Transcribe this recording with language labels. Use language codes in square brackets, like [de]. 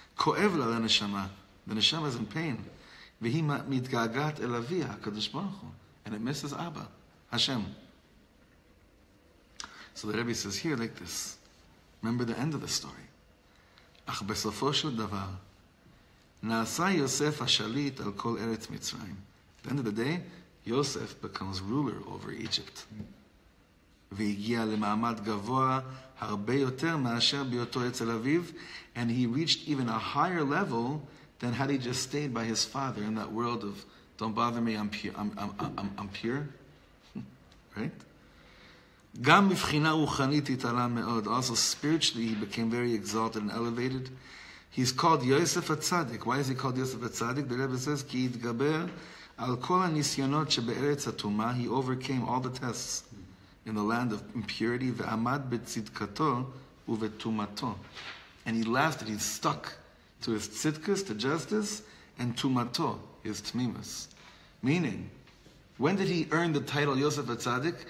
[he] כואב לה לנשמה. [en] The neshama is in pain. [he] והיא מתגעגעת אל אביה, הקדוש ברוך הוא. [en] And it misses Abba, Hashem. So the Rebbe says here like this. Remember the end of the story. [he] אך בסופו של דבר, נעשה יוסף השליט על כל ארץ מצרים. [en] At the end of the day, Yosef becomes ruler over Egypt. [he] והגיע למעמד גבוה הרבה יותר מאשר ביותו אצל אביו, [en] and he reached even a higher level than had he just stayed by his father in that world of don't bother me, I'm pure. Right? [he] גם מבחינה רוחנית התעלה מאוד. [en] Also spiritually he became very exalted and elevated. He's called Yosef HaTzadik. Why is he called Yosef HaTzadik? The Rebbe says, [he] כי התגבר על כל הניסיונות שבארץ התומה. [en] He overcame all the tests in the land of impurity. [he] ועמד בצדקתו ובתומתו. [en] And he lasted, he stuck to his tzidkus, to justice, and tumato, his tmimus. Meaning, when did he earn the title Yosef HaTzadik?